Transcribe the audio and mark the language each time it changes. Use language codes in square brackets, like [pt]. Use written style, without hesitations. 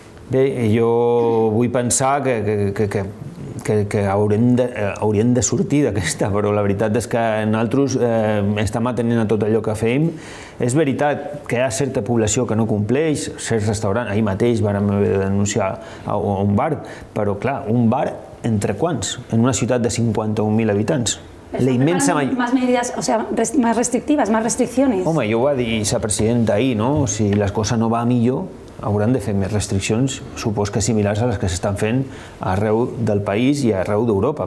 [ca] Bé, jo vull pensar que hauríem de sortir d'aquesta, però la veritat és que nosaltres estem atenent a tot allò que fem. És veritat que hi ha certa població que no compleix, certs restaurants, ahir mateix vam haver de denunciar a un bar, però clar, un bar entre quants? En una ciutat de 51.000 habitants. La immensa major... [es] Más medidas, o sea, más restrictivas, más restricciones. [ca] Home, jo ho va dir la presidenta ahir, no? Si les coses no van millor, hauran de fer més restriccions, supos que similars a les que s'estan fent arreu del país i arreu d'Europa.